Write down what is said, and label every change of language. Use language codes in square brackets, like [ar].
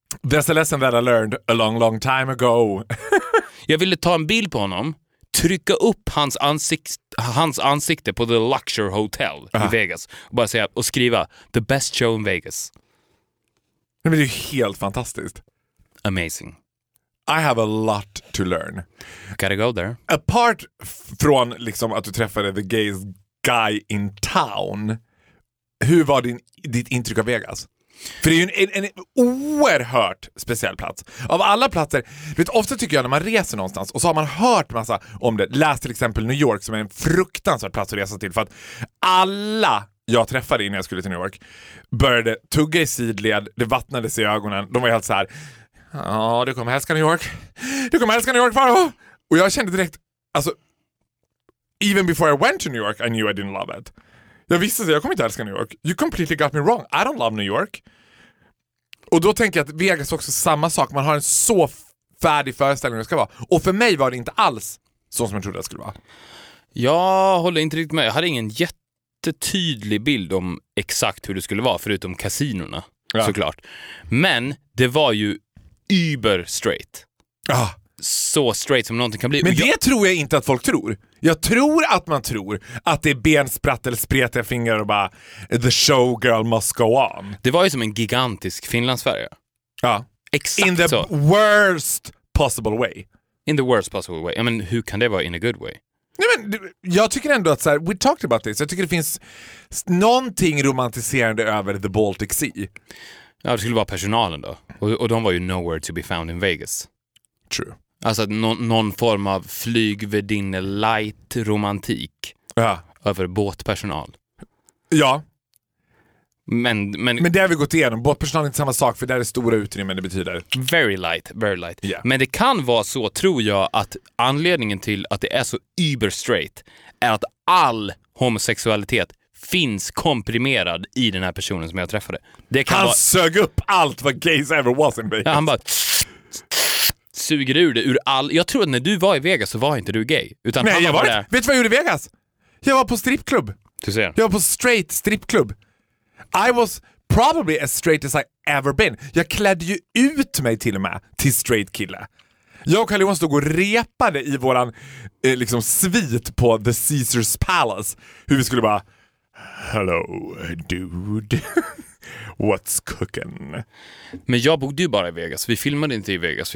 [en] There's a lesson that I learned a long, long time ago. [sv] Jag ville ta en bild på honom, trycka upp hans ansikte på The Luxury Hotel i Vegas och bara säga och skriva [en] the best show in Vegas. [sv] Men det är ju helt fantastiskt. [en] Amazing. I have a lot to learn. Gotta go there. [sv] Apart från liksom att du träffade [en] the gays guy in town. [sv] Hur var ditt intryck av Vegas? För det är ju en oerhört speciell plats. Av alla platser, vet, ofta tycker jag när man reser någonstans och så har man hört massa om det. Läs till exempel New York som är en fruktansvärd plats att resa till. För att alla jag träffade innan jag skulle till New York började tugga i sidled. Det vattnades i ögonen. De var helt så här, ja, du kommer älska New York. Du kommer älska New York, faro. Och jag kände direkt, alltså, [en] even before I went to New York, I knew I didn't love it. [sv] Jag visste att jag kommer inte älska New York. [en] You completely got me wrong. I don't love New York. [sv] Och då tänker jag att Vegas också samma sak. Man har en så färdig föreställning det ska vara. Och för mig var det inte alls så som jag trodde det skulle vara. Jag håller inte riktigt med. Jag hade ingen jättetydlig bild om exakt hur det skulle vara. Förutom kasinorna, såklart. Men det var ju über straight. Så straight som någonting kan bli. Men det tror jag inte att folk tror. Jag tror att man tror att det är bensprätt eller spretiga fingrar och bara [en] the showgirl must go on. [sv] Det var ju som en gigantisk Finlandsfärja. Ja. Exakt [en] in the [sv] så. [en] Worst possible way. In the worst possible way. I mean, [sv] hur kan det vara [en] in a good way? [sv] Nej, men jag tycker ändå att så här, [en] we talked about this. [sv] Jag tycker det finns någonting romantiserande över the Baltic Sea. Ja, det skulle vara personalen då. Och de var ju [en] nowhere to be found in Vegas. True. [sv] Alltså någon form av flygvärdinne light romantik. Ja. Över båtpersonal. Ja. Men det har vi gått igenom. Båtpersonal är inte samma sak, för det är det stora utrymmen det betyder. [en] Very light, very light. Yeah. [sv] Men det kan vara så, tror jag, att anledningen till att det är så uber straight är att all homosexualitet finns komprimerad i den här personen som jag träffade. Det kan han vara... sög upp allt vad [en] gays ever was in Vegas. [sv] Ja, han bara suger ur det ur all... Jag tror att när du var i Vegas så var inte du gay. Utan nej, han jag var där... Vet du vad jag gjorde i Vegas? Jag var på strippklubb. Du ser. Jag var på straight strippklubb. [en] I was probably as straight as I ever been. [sv] Jag klädde ju ut mig till och med till straight kille. Jag och Karl-Johan stod och repade i våran liksom svit på The Caesar's Palace. Hur vi skulle bara, [en] hello dude, what's cooking? [sv] Men jag bodde ju bara i Vegas. Vi filmade inte i Vegas.